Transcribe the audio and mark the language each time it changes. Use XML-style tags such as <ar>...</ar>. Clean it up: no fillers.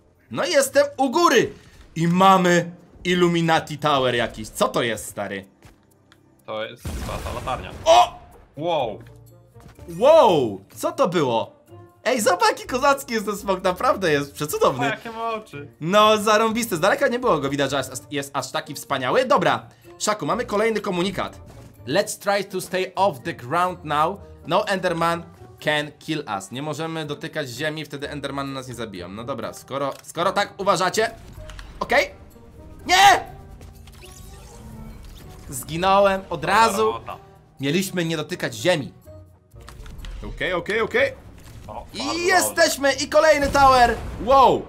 <pl>No i jestem u góry! I mamy Illuminati Tower jakiś. Co to jest, stary? To jest chyba ta latarnia. O! Wow! Wow, co to było? Ej, zobacz, jaki kozacki jest ten smok, naprawdę jest przecudowny. Jakie ma oczy. No, zarąbiste, z daleka nie było go widać, że jest aż taki wspaniały. Dobra, Szaku, mamy kolejny komunikat.</pl> <en>Let's try to stay off the ground now. No Enderman can kill us.</en> <pl>Nie możemy dotykać ziemi, wtedy Enderman nas nie zabiją. No dobra, skoro tak uważacie. Okej, okay. Nie! Zginąłem od razu. Mieliśmy nie dotykać ziemi. Okej, okej, okej. I jesteśmy! I kolejny tower! Wow!</pl>